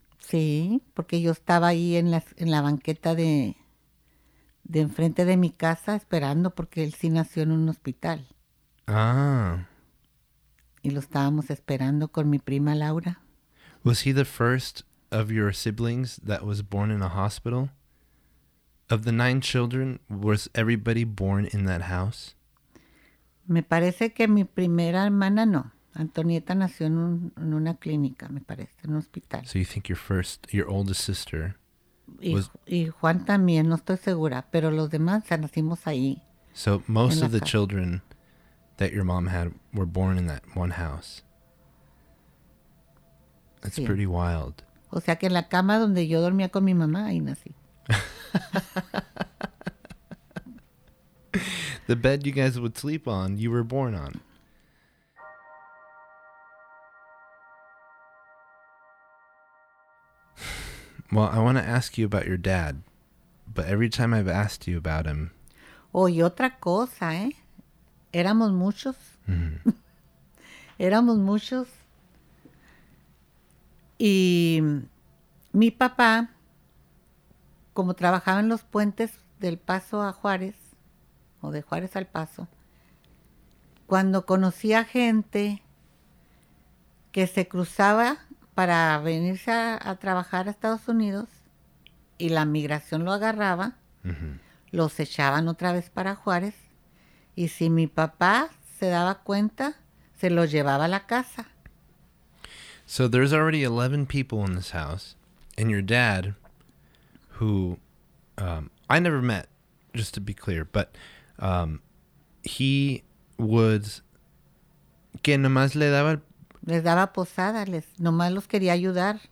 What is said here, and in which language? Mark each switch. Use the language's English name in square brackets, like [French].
[Spanish] Sí, porque yo estaba ahí en la banqueta de enfrente de mi casa esperando porque él sí nació en un hospital. Ah. Y lo estábamos esperando con mi prima Laura. [English] Was he the first of your siblings that was born in a hospital? Of the 9 children, was everybody born in that house? [Spanish] Me parece que mi primera hermana no. Antonieta nació en una clínica, me parece, en un hospital. [English] So you think your oldest sister was... [Spanish] Y Juan también, no estoy segura, pero los demás, o sea, nacimos ahí. [English] So most of the children that your mom had were born in that one house. That's sí. pretty wild. [Spanish] O sea que en la cama donde yo dormía con mi mamá, ahí nací. [English] The bed you guys would sleep on, you were born on. Well, I want to ask you about your dad, but every time I've asked you about him... [Spanish] Oh, y otra cosa, ¿eh? Éramos muchos. Mm-hmm. Éramos muchos. Y mi papá, como trabajaba en los puentes del Paso a Juárez, o de Juárez al Paso, cuando conocía gente que se cruzaba... para venirse a trabajar a Estados Unidos y la migración lo agarraba, uh-huh. los echaban otra vez para Juárez y si mi papá se daba cuenta, se los llevaba a la casa. [English] So there's already 11 people in this house and your dad, who I never met, just to be clear, but he was... [Spanish] que nomás le daba... Les daba posada, nomás los quería ayudar.